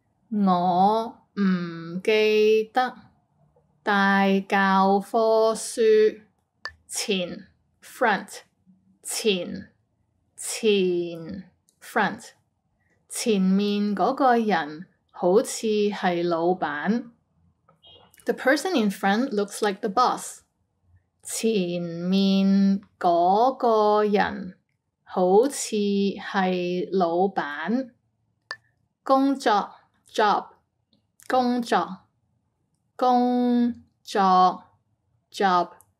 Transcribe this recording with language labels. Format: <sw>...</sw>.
<yue>我唔记得带教科书。前 front，前前</yue> <en>front。</en> <yue>前面嗰个人好似系老板。</yue> <en>The person in front looks like the boss。</en> <yue>前面嗰个人好似系老板。工作 job，工作工作</yue> <en>job。</en>